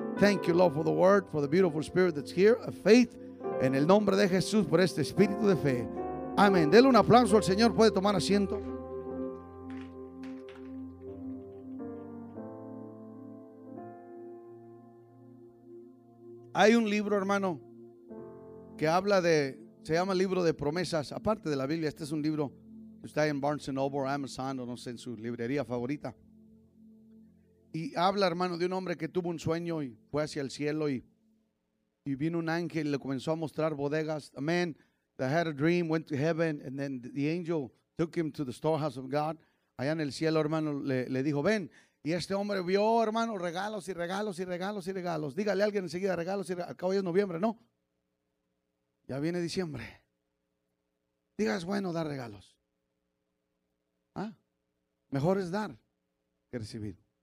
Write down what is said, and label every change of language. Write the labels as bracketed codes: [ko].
[en] Thank you, Lord, for the word, for the beautiful spirit that's here, of faith. [es] En el nombre de Jesús, por este espíritu de fe. Amén. Dele un aplauso al Señor. Puede tomar asiento. Hay un libro, hermano, que habla de, se llama Libro de Promesas, aparte de la Biblia. Este es un libro que está en Barnes & Noble, Amazon, o no sé, en su librería favorita. Y habla, hermano, de un hombre que tuvo un sueño y fue hacia el cielo y vino un ángel y le comenzó a mostrar bodegas. [en] A man that had a dream, went to heaven, and then the angel took him to the storehouse of God. [es] Allá en el cielo, hermano, le dijo, ven. Y este hombre vio, hermano, regalos y regalos y regalos y regalos. Dígale a alguien enseguida, regalos y regalos. Acabo ya es noviembre, ¿no? Ya viene diciembre. Diga, es bueno dar regalos. ¿Ah? Mejor es dar que recibir.